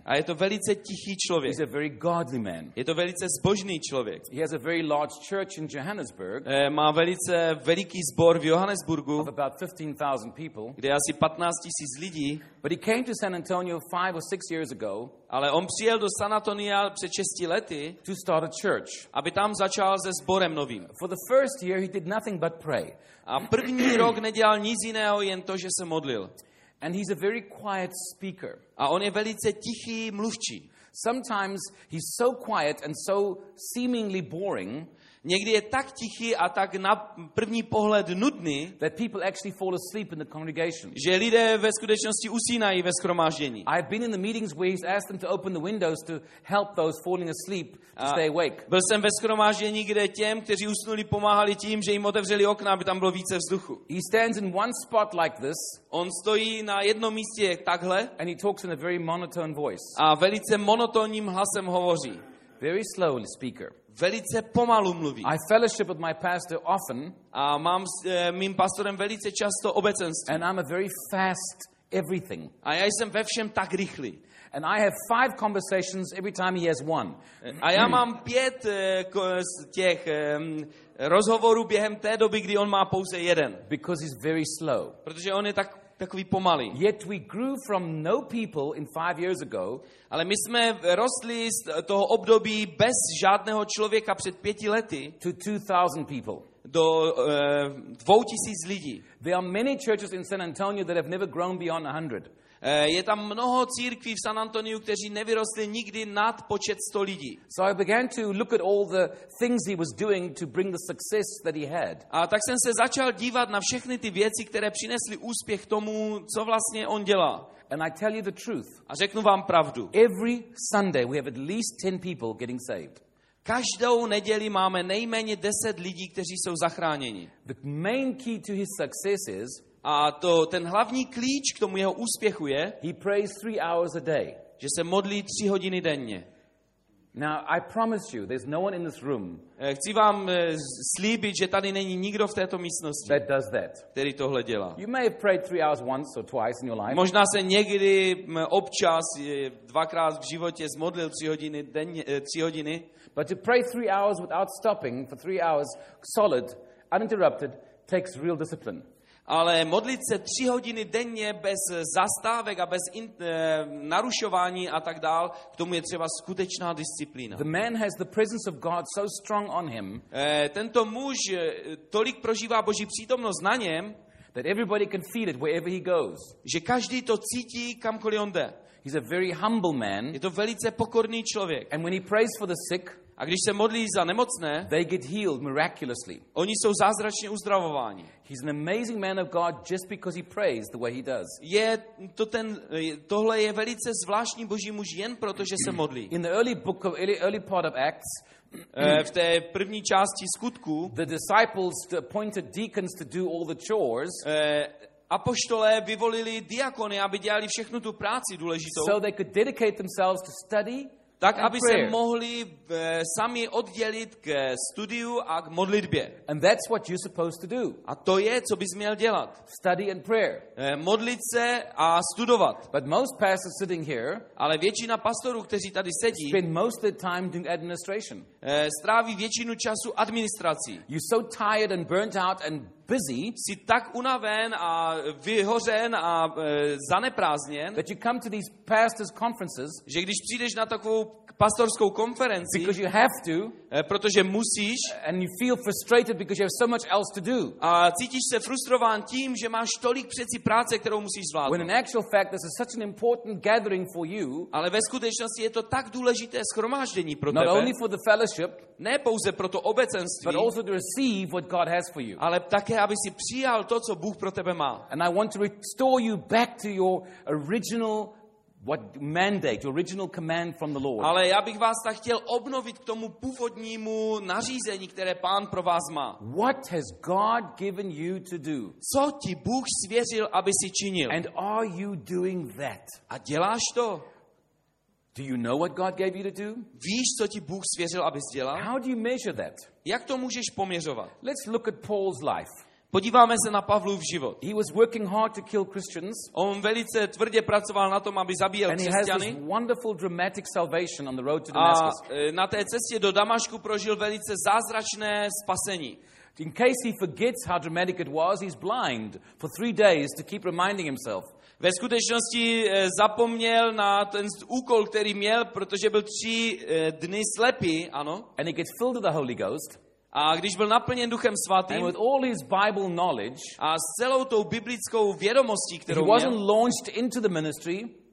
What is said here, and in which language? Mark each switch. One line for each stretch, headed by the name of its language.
Czech: A je to velice tichý člověk.
English: He's a very godly man.
Czech: Je to velice zbožný člověk.
English: He has a very large church in Johannesburg.
Czech: Má velice veliký sbor v Johannesburgu.
English: Of about 15,000 people.
Czech: Kde je asi 15,000 lidí.
English: But he came to San Antonio 5 or 6 years ago.
Czech: Ale on přijel do San Antonia před 6 lety.
English: To start a church.
Czech: Aby tam začal se sborem novým.
English: For the first year he did nothing but pray.
Czech: A první rok nedělal nic jiného, jen to, že se modlil.
English: And he's a very quiet speaker.
Czech: A on je velice tichý mluvčí.
English: Sometimes he's so quiet and so seemingly boring.
Czech: Někdy je tak tichý a tak na první pohled nudný,
English: that people actually fall asleep in the congregation.
Czech: Že lidé ve skutečnosti usínají ve shromáždění.
English: I've been in the meetings where he's asked them to open the windows to help those falling asleep to stay awake.
Czech: Byl jsem ve shromáždění, kde těm, kteří usnuli, pomáhali tím, že jim otevřeli okna, aby tam bylo více vzduchu.
English: He stands in one spot like this.
Czech: On stojí na jednom místě takhle.
English: And he talks in a very monotone voice.
Czech: A velice monotónním hlasem hovoří.
English: Very slowly speaker.
Czech: Velice pomalu mluví.
English: I fellowship with my pastor often.
Czech: A mám s mým pastorem velice často obecenství.
English: And I'm a very fast everything.
Czech: A já jsem ve všem tak rychlý.
English: And I have 5 conversations every time he has one.
Czech: A já mám 5 těch rozhovorů během té doby, kdy on má pouze jeden.
English: Because he's very slow.
Czech: Protože on je takový pomalý.
English: Yet we grew from no people in 5 years ago.
Czech: Ale my jsme rostli z toho období bez žádného člověka před 5 lety.
English: To 2,000 people.
Czech: Do 2,000 lidí.
English: There are many churches in San Antonio that have never grown beyond 100.
Czech: Je tam mnoho církví v San Antoniu, kteří nevyrostli nikdy nad počet 100 lidí.
English: So I began to look at all the things he was doing to bring the success that he had.
Czech: A tak jsem se začal dívat na všechny ty věci, které přinesly úspěch tomu, co vlastně on dělá.
English: And I tell you the truth.
Czech: A řeknu vám pravdu.
English: Every Sunday we have at least 10 people getting saved.
Czech: Každou neděli máme nejméně 10 lidí, kteří jsou zachráněni.
English: The main key to his success is.
Czech: A to ten hlavní klíč k tomu jeho úspěchu je,
English: he prays 3 hours a day.
Czech: Že se modlí 3 hodiny denně.
English: Now I promise you there's no one in this room.
Czech: Chci vám slíbit, že tady není nikdo v této místnosti.
English: That does that.
Czech: Který tohle dělá.
English: You may have prayed 3 hours once or twice in your life.
Czech: Možná se někdy občas dvakrát v životě zmodlil 3 hodiny denně, 3 hodiny.
English: But to pray 3 hours without stopping for 3 hours solid, uninterrupted takes real discipline.
Czech: Ale modlit se 3 hodiny denně bez zastávek a bez narušování a tak dál, k tomu je třeba skutečná disciplína.
English: The man has the presence of God so strong on him.
Czech: Tento muž tolik prožívá Boží přítomnost na něm,
English: that everybody can feel it wherever he goes.
Czech: Že každý to cítí, kamkoliv on jde.
English: He's a very humble man.
Czech: Je to velice pokorný člověk.
English: And when he prays for the sick,
Czech: a když se modlí za nemocné,
English: they get healed miraculously.
Czech: Oni jsou zázračně uzdravováni.
English: He's an amazing man of God just because he prays the way he does.
Czech: Je to ten, tohle je velice zvláštní Boží muž jen proto, že se modlí.
English: In the early book of early part of Acts,
Czech: v té první části skutku,
English: the disciples appointed deacons to do all the chores.
Czech: apoštolé vyvolili diakony, aby dělali všechnu tu práci důležitou.
English: So they could dedicate themselves to study.
Czech: Tak, aby se mohli sami oddělit k studiu a k modlitbě.
English: And that's what you're supposed to do.
Czech: A to je, co bys měl dělat.
English: Study and prayer.
Czech: Modlit se a studovat.
English: But most pastors sitting here,
Czech: ale většina pastorů, kteří tady sedí,
English: spend most of the time doing administration.
Czech: Stráví většinu času administrací.
English: You're so tired and burnt out and busy,
Czech: jsi tak unaven a vyhořen a zaneprázněn,
English: that you come to these pastors' conferences,
Czech: že když přijdeš na takovou pastorskou konferenci,
English: because you have to,
Czech: protože musíš,
English: and you feel frustrated because you have so much else to do,
Czech: a cítíš se frustrován tím, že máš tolik přeci práce, kterou musíš zvládnout.
English: When in actual fact this is such an important gathering for you,
Czech: ale ve skutečnosti je to tak důležité shromáždění pro
English: not
Czech: tebe.
English: Not only for the fellowship,
Czech: ne pouze pro to obecenství,
English: but also to receive what God has for you.
Czech: Ale také, aby si přijal to, co Bůh pro tebe má.
English: And I want to restore you back to your original mandate, your original command from the Lord.
Czech: Ale já bych vás tak chtěl obnovit k tomu původnímu nařízení, které Pán pro vás má.
English: What has God given you to do?
Czech: Co ti Bůh svěřil, aby si činil?
English: And are you doing that?
Czech: A děláš to?
English: Do you know what God gave you to do?
Czech: Víš, co ti Bůh svěřil, abys dělal?
English: How do you measure that?
Czech: Jak to můžeš poměřovat?
English: Let's look at Paul's life.
Czech: Podíváme se na Pavlův život.
English: He was working hard to kill Christians.
Czech: On velice tvrdě pracoval na tom, aby zabíjel křesťany.
English: And he has this wonderful dramatic salvation on the road to Damascus.
Czech: A na té cestě do Damašku prožil velice zázračné spasení.
English: In case he forgets how dramatic it was, he's blind for 3 days to keep reminding himself.
Czech: Ve skutečnosti zapomněl na ten úkol, který měl, protože byl 3 dny slepý, ano.
English: And he gets filled with the Holy Ghost.
Czech: A když byl naplněn Duchem Svatým,
English: and with all his Bible knowledge,
Czech: a s celou tou biblickou vědomostí, kterou
English: he
Czech: měl,
English: wasn't launched into the ministry,